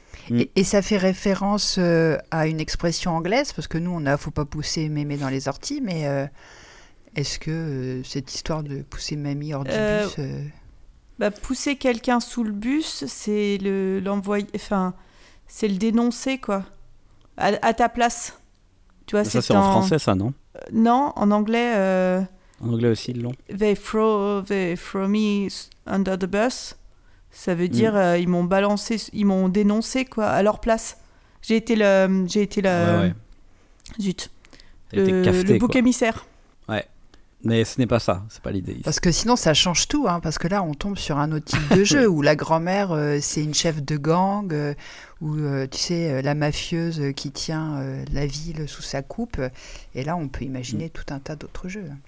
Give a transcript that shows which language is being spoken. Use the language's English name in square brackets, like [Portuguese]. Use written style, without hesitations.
[French] Et ça fait référence à une expression anglaise, parce que nous, on a faut pas pousser mémé dans les orties, mais est-ce que cette histoire de pousser mamie hors du bus. Bah, pousser quelqu'un sous le bus, c'est le, l'envoyer. Enfin, c'est le dénoncer, quoi. À ta place. Tu vois, c'est ça, c'est en français, ça, non ? Non, en anglais. En anglais aussi, le long. [English] They throw me under the bus. [French] Ça veut dire ils m'ont balancé, ils m'ont dénoncé quoi à leur place. J'ai été le zut. Le bouc émissaire. Ouais. Mais ce n'est pas ça, c'est pas l'idée. Parce que sinon ça change tout hein, parce que là on tombe sur un autre type de jeu où la grand-mère c'est une chef de gang ou tu sais la mafieuse qui tient la ville sous sa coupe et là on peut imaginer tout un tas d'autres jeux.